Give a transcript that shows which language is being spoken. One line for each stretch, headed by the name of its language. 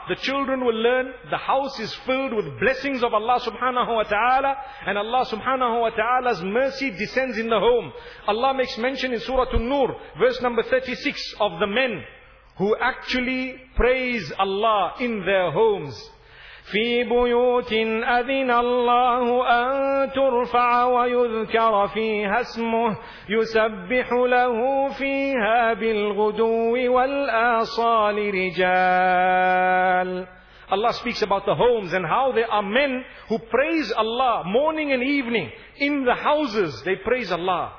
English: The children will learn the house is filled with blessings of Allah subhanahu wa ta'ala, and Allah subhanahu wa ta'ala's mercy descends in the home. Allah makes mention in Surah An-Nur, verse number 36, of the men who actually praise Allah in their homes.
Arabic: في بيوت أذن الله أن ترفع ويذكر فيها اسمه يسبح له فيها بالغدو والآصال رجال.
English: Allah speaks about the homes and how there are men who praise Allah morning and evening. In the houses they praise Allah.